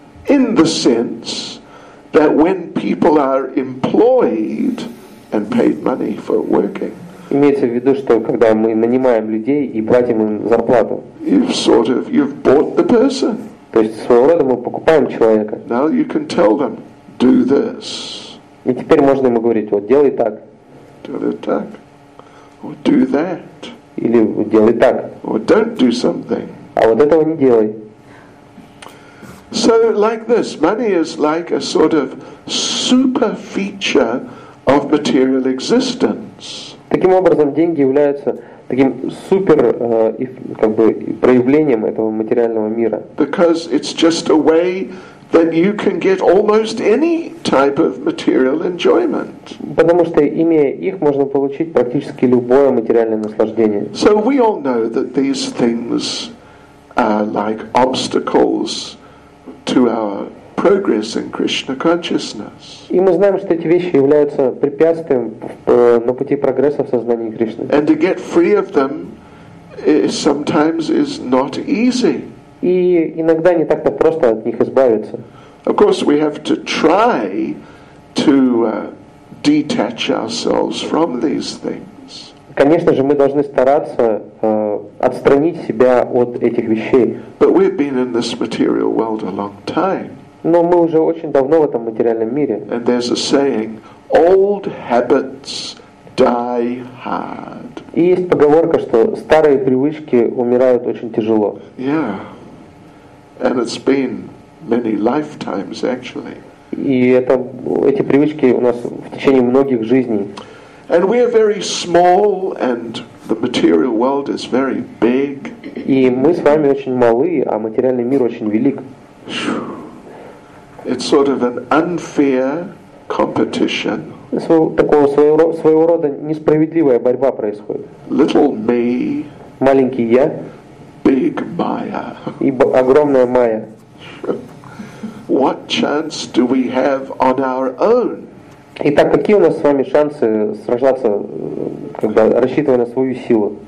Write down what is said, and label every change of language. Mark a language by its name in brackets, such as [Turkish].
[English] In the sense that when people are employed and paid money for working. [Russian] Имеется в виду, что когда мы нанимаем людей и платим им зарплату. [English] You've bought the person. [Russian] То есть своего рода мы покупаем человека. [English] Now you can tell them, do this. [Russian] И теперь можно ему говорить, вот делай так. Делай так. [English] Or do that. [Russian] Или делай так. [English] Or don't do something. [Russian] А вот этого не делай. [English] So like this, money is like a sort of super feature of material existence. [Russian] Таким образом, деньги являются таким супер как бы проявлением этого материального мира. [English] Because it's just a way then you can get almost any type of material enjoyment. [Russian] Потому что имея их можно получить практически любое материальное наслаждение. [English] So we all know that these things are like obstacles to our progress in Krishna consciousness. [Russian] И мы знаем, что эти вещи являются препятствием на пути прогресса в сознании Кришны. [English] And to get free of them sometimes is not easy. [Russian] И иногда не так-то просто от них избавиться. [English] Of course, we have to try to detach ourselves from these things. [Russian] Конечно же, мы должны стараться отстранить себя от этих вещей. [English] But we've been in this material world a long time. [Russian] Но мы уже очень давно в этом материальном мире. [English] And there's a saying, old habits die hard. [Russian] И есть поговорка, что старые привычки умирают очень тяжело. [English] Yeah. And it's been many lifetimes, actually. [Russian] И это эти привычки у нас в течение многих жизней. [English] And we are very small, and the material world is very big. [Russian] И мы с вами очень малы, а материальный мир очень велик. [English] It's sort of an unfair competition. [Russian] Такого своего рода несправедливая борьба происходит. [English] Little me. [Russian] Маленький я. [English] Big Maya. [Russian] И огромная Maya. [English] What chance do we have on our own? [Russian] Итак, какие у нас с вами шансы сражаться, как бы рассчитывая на свою силу?